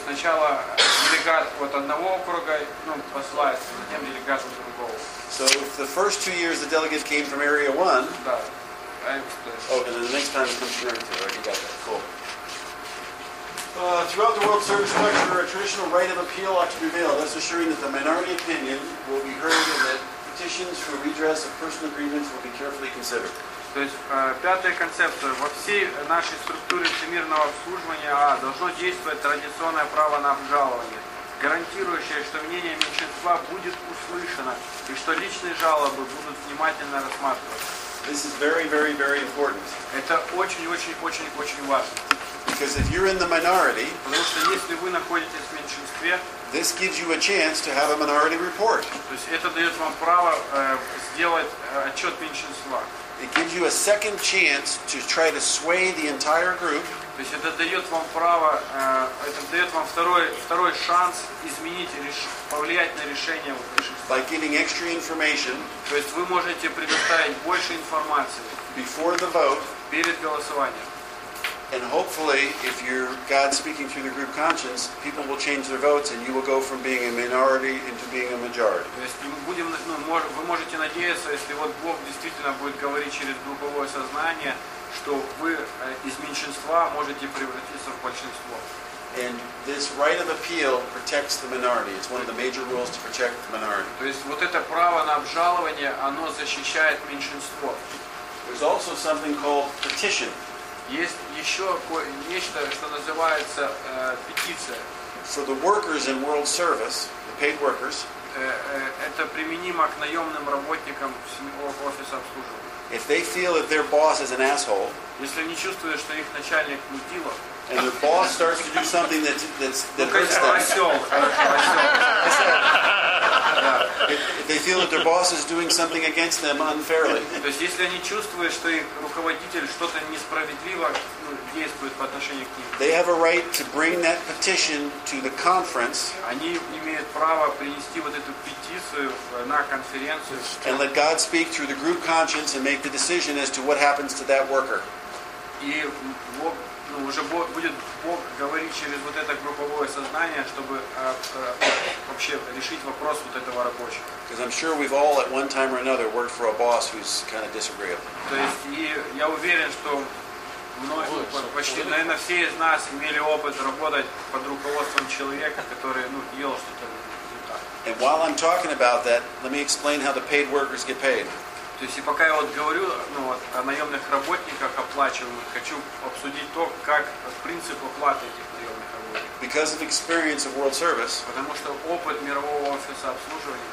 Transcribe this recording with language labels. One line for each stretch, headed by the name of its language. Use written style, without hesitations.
Russian: Сначала делегат от одного округа посылается, затем делегат от другого.
English: So if the first 2 years the delegate came from area one.
Russian: Да.
English: Okay, then the next time it comes from area two. Right, you got that. Cool. Throughout the world service structure, a traditional right of appeal ought to prevail, thus assuring that the minority opinion will be heard and that petitions for redress of personal grievance will be carefully considered.
Russian: То есть пятая концепция. Во всей нашей структуре всемирного обслуживания должно действовать традиционное право на обжалование, гарантирующее, что мнение меньшинства будет услышано и что личные жалобы будут внимательно рассматриваться.
English: This is very, very, very important.
Russian: Это очень-очень-очень-очень важно.
English: Because if you're in the minority,
Russian: потому что если вы находитесь в меньшинстве,
English: this gives you a chance to have a minority report.
Russian: То есть это дает вам право сделать отчет меньшинства.
English: It gives you a second chance to try to sway the entire group.
Russian: То есть это дает вам право, это дает вам второй шанс изменить, повлиять на решение.
English: By getting extra information.
Russian: То есть вы можете предоставить больше информации.
English: Before the vote.
Russian: Перед голосованием.
English: And hopefully, if you're God speaking through the group conscience, people will change their votes, and you will go from being a minority into being a majority.
Russian: То есть мы будем, вы можете надеяться, если вот Бог действительно будет говорить через групповое сознание, что вы из меньшинства можете превратиться в большинство.
English: And this right of appeal protects the minority. It's one of the major rules to protect the minority.
Russian: То есть вот это право на обжалование, оно защищает меньшинство.
English: There's also something called petition.
Russian: Есть еще нечто, что называется петиция.
English: For the workers in world service, the paid workers,
Russian: это применимо к наемным работникам офиса обслуживания.
English: If they feel that their boss is an asshole,
Russian: если они чувствуют, что их начальник мудила,
English: and their boss starts to do something that hurts them. If they feel that their boss is doing something against them unfairly.
Russian: То есть если они чувствуют, что их руководитель что-то несправедливо действует по отношению к ним.
English: They have a right to bring that petition to the conference.
Russian: Они имеют право принести вот эту петицию на конференцию.
English: And let God speak through the group conscience and make the decision as to what happens to that worker.
Russian: И уже будет Бог говорить через вот это групповое сознание, чтобы вообще решить вопрос вот этого рабочего.
English: Because I'm sure we've all at one time or another worked for a boss who's kind of disagreeable.
Russian: То есть я уверен, что почти, наверное, все из нас имели опыт работать под руководством человека, который делал что-то не так.
English: And while I'm talking about that, let me explain how the paid workers get paid.
Russian: То есть и пока я вот говорю о наемных работниках оплачиваемых, хочу обсудить то, как принцип оплаты этих наемных работников.
English: Because of experience of world service,
Russian: потому что опыт мирового офиса обслуживания,